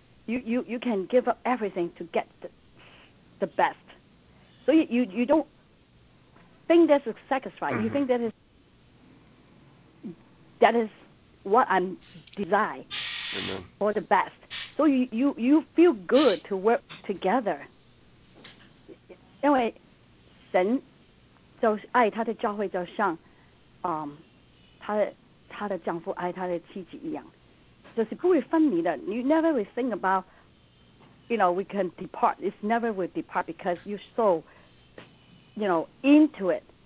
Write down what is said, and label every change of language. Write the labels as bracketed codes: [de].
[en] You can give up everything to get the best. So you don't think that's a sacrifice. You think that is what I'm desire for the best. So you feel good to work together. [zh] 因为神就爱他的教会，就像他的丈夫爱他的妻子一样。就是不会分离的。 [en] You never will think about, you know, we can depart. It's never will depart because you're so, you know, into it.